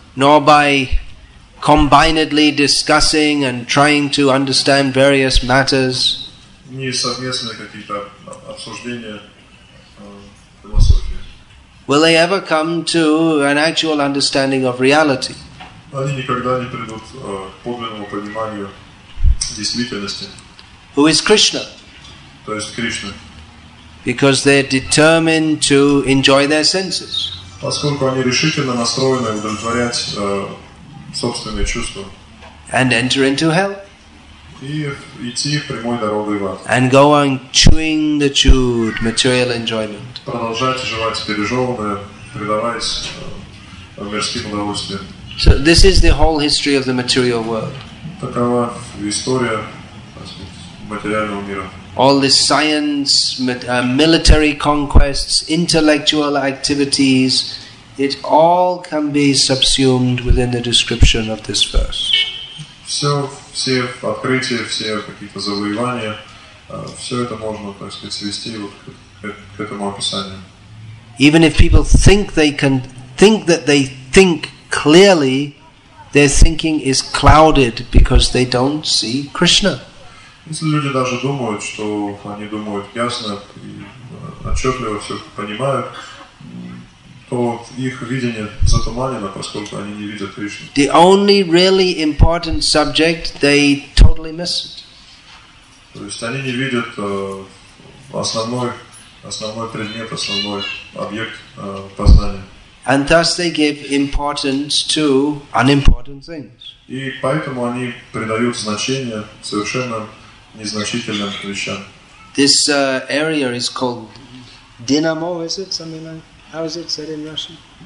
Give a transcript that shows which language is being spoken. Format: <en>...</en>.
<en>Nor by combinedly discussing and trying to understand various matters.</en> <ru>Ни совместные какие-то обсуждения философии.</ru> <en>Will they ever come to an actual understanding of reality?</en> <ru>Они никогда не придут к подлинному пониманию действительности.</ru> <en>Who is Krishna?</en> <ru>То есть Кришна.</ru> <en>Because they're determined to enjoy their senses.</en> <ru>Поскольку они решительно настроены удовлетворять собственные чувства.</ru> <en>And enter into hell.</en> <ru>И идти прямой дорогой в ад.</ru> <en>And go on chewing the chewed material enjoyment.</en> <ru>Продолжать жевать пережеванное, предаваясь мирским удовольствиям.</ru> <en>So this is the whole history of the material world.</en> <ru>Такова история материального мира.</ru> <en>All this science, military conquests, intellectual activities, it all can be subsumed within the description of this verse.</en> <ru>Все открытия, все какие-то завоевания, все это можно, так сказать, свести вот к этому описанию.</ru> <en>Even if people think they can think that they think clearly, their thinking is clouded because they don't see Krishna.</en> <ru>Если люди даже думают, что они думают ясно и отчетливо все понимают, то их видение затуманено, поскольку они не видят Кришну.</ru> <en>The only really important subject they totally miss it.</en> <ru>То есть они не видят основной предмет, основной объект познания.</ru> <en>And thus they give importance to unimportant things.</en> <ru>И поэтому они придают значение совершенно незначительным вещам.</ru> <en>This area is called Dynamo, is it? Something like, how is it said in Russian?</en>